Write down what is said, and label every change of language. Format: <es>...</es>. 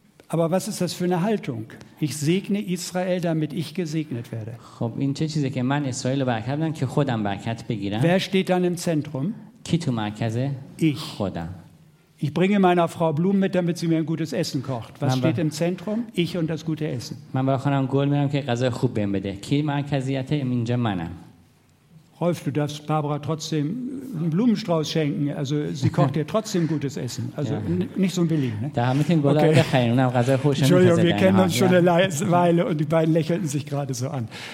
<de>Aber was ist das für eine Haltung? Ich segne Israel, damit ich gesegnet werde. Wer steht dann im Zentrum? Ich. Ich bringe meiner Frau Blumen mit, damit sie mir ein gutes Essen kocht. Was steht im Zentrum? Ich und das gute Essen.</de> <fa>من با خانم گل میرم که غذا خوب بهم بده. کی مرکزیت اینجا منم.</fa> <de>Rolf, du darfst Barbara trotzdem einen Blumenstrauß schenken. Also sie kocht dir trotzdem gutes Essen. Also nicht so ein billigen. Ne? Okay. Entschuldigung, wir kennen uns schon eine Weile und die beiden lächelten sich gerade so an.</de>